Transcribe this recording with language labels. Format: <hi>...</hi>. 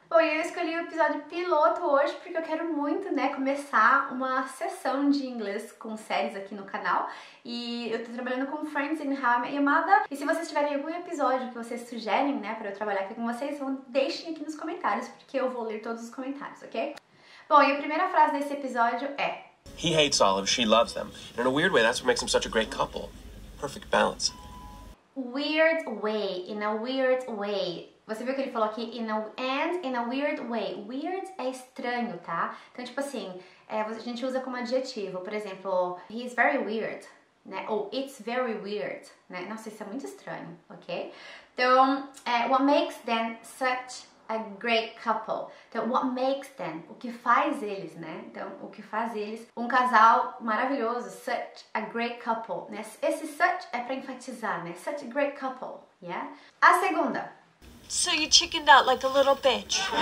<pt>Bom, eu escolhi o episódio piloto hoje porque eu quero muito, né, começar uma sessão de inglês com séries aqui no canal. E eu tô trabalhando com Friends and How I Met Your Mother. E se vocês tiverem algum episódio que vocês sugerem, né, pra eu trabalhar aqui com vocês, deixem aqui nos comentários, porque eu vou ler todos os comentários, ok? Bom, e a primeira frase desse episódio é:</pt> <en>He hates olives, she loves them. And in a weird way, that's what makes them such a great couple. Perfect balance. Weird way, in a weird way.</en> <pt>Você viu que ele falou aqui,</pt> <en>in a weird way.</en> <pt>Weird é estranho, tá? Então, tipo assim, a gente usa como adjetivo. Por exemplo,</pt> <en>he's very weird,</en> <pt>né? Ou</pt> <en>it's very weird,</en> <pt>né? Nossa, isso é muito estranho, ok?</pt> <en>Então, what makes them such a great couple?</en> <pt>Então,</pt> <en>what makes them?</en> <pt>O que faz eles, né? Então, o que faz eles um casal maravilhoso,</pt> <en>such a great couple,</en> <pt>né? Esse such é pra enfatizar, né?</pt> <en>Such a great couple, yeah?</en> <pt>A segunda.</pt> <en>So you chickened out like a little bitch.</en>